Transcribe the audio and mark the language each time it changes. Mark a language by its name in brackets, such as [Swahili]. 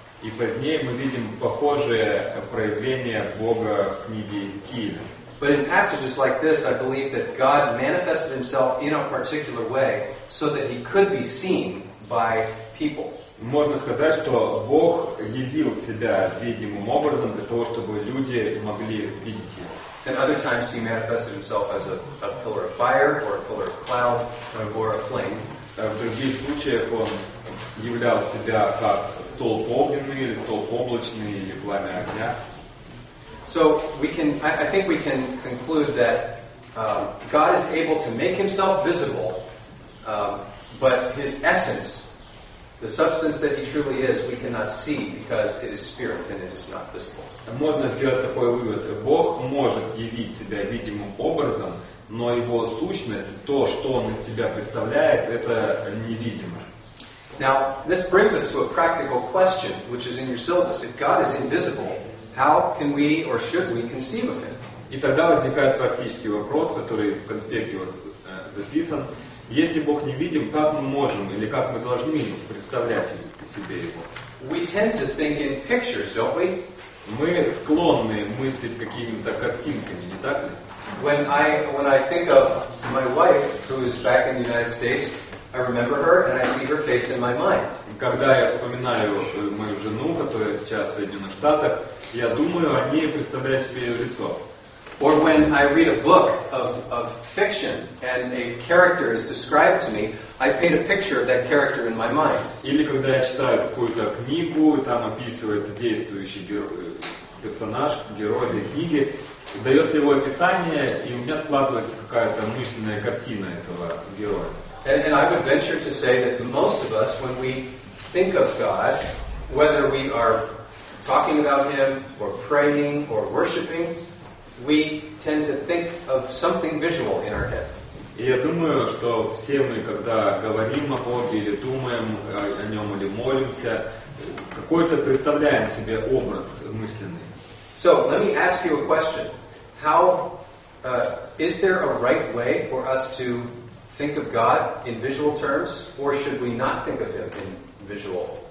[Russian] И позднее мы видим похожее проявление Бога в книге Иезекииля. [English] But in passages like this, I believe that God manifested himself in a particular way so that he could be seen by people. [Russian] Можно сказать, что Бог явил себя видимым образом для того, чтобы люди могли видеть его. [English] And other times he manifested himself as a pillar of fire or a pillar of cloud or a flame. [Russian] В других случаях он являл себя как столб огненный или столб облачный или пламя огня. [English] So we can, I think we can conclude that God is able to make himself visible, but his essence, the substance that he truly is, we cannot see because it is spirit and it is not visible. [Russian] Можно сделать такой вывод. Бог может явить себя видимым образом, но его сущность, то, что он из себя представляет, это невидимо. [English] Now, this brings us to a practical question, which is in your syllabus. If God is invisible, how can we or should we conceive of him? [Russian] И тогда возникает практический вопрос, который в конспекте у вас записан. Если Бог невидим, как мы можем или как мы должны представлять себе его? [English] We tend to think in pictures, don't we? [Russian] Мы склонны мыслить какими-то картинками, не так ли? [English] When I think of my wife, who is back in the United States, I remember her and I see her face in my mind. [Russian] Когда я вспоминаю мою жену, которая сейчас в Соединенных Штатах, я думаю о ней, представляю себе ее лицо. [English] Or when I read a book of fiction and a character is described to me, I paint a picture of that character in my mind. [Russian] Или когда я читаю какую-то книгу, там описывается действующий персонаж, герой этой книги, дается его описание, и у меня складывается какая-то мысленная картина этого героя. [English] And I would venture to say that most of us, when we think of God, whether we are talking about him, or praying, or worshiping, we tend to think of something visual in our head. [Russian] И я думаю, что все мы, когда говорим о Боге, или думаем о нем, или молимся, какой-то представляем себе образ мысленный. [English] So, let me ask you a question. How, is there a right way for us to think of God in visual terms, or should we not think of him in visual terms?